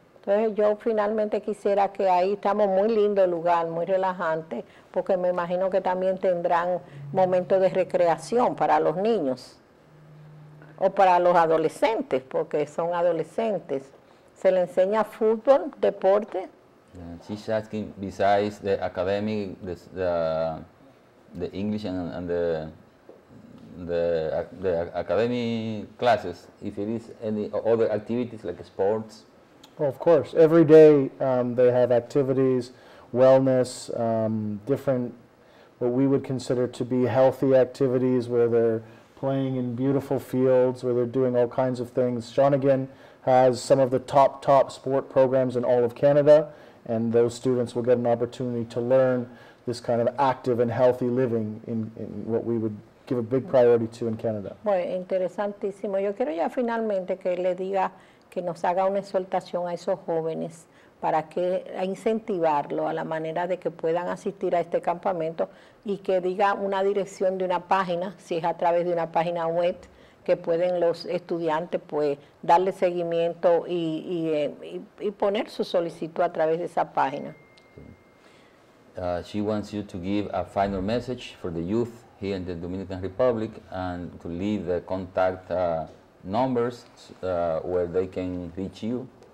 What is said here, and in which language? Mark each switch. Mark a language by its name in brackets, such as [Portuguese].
[Spanish] Entonces yo finalmente quisiera que ahí estamos, muy lindo el lugar, muy relajante, porque me imagino que también tendrán momentos de recreación para los niños o para los adolescentes, porque son adolescentes. ¿Se le enseña fútbol, deporte? [English] She's asking besides the academy, the English and the academy classes, if it is any other activities like sports. Well, of course, every day they have activities, wellness, different, what we would consider to be healthy activities, where they're playing in beautiful fields, where they're doing all kinds of things. Shawnigan has some of the top sport programs in all of Canada, and those students will get an opportunity to learn this kind of active and healthy living in what we would give a big priority to in Canada. [Spanish] Bueno, interesantísimo. Yo quiero ya finalmente que le diga, que nos haga una exhortación a esos jóvenes para que, a incentivarlo a la manera de que puedan asistir a este campamento, y que diga una dirección de una página, si es a través de una página web, que pueden los estudiantes pues darle seguimiento y poner su solicitud a través de esa página. [English] She wants you to give a final message for the youth here in the Dominican Republic and to leave the contact numbers where they can reach you.